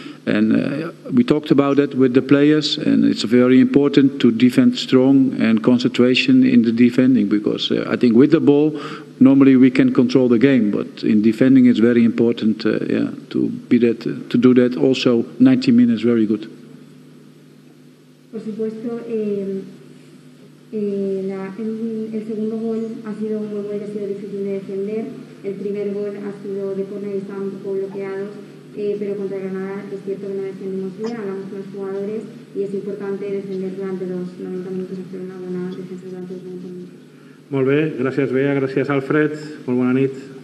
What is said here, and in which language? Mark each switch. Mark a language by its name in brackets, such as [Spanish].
[English] And we talked about that with the players, and it's very important to defend strong and concentration in the defending, because I think with the ball, normally we can control the game, but in defending it's very important to do that also 90 minutes, very good. [Spanish] Por supuesto, el segundo gol ha sido un gol que ha sido difícil de defender, el primer gol ha sido de corner y estaban un poco bloqueados. Pero contra Granada es cierto que no defendimos bien, hablamos con los jugadores y es importante defender durante los 90 minutos, hacer una buena defensa durante los 90 minutos. [Catalan] Molt bé, gràcies Bea, gràcies Alfred, molt bona nit.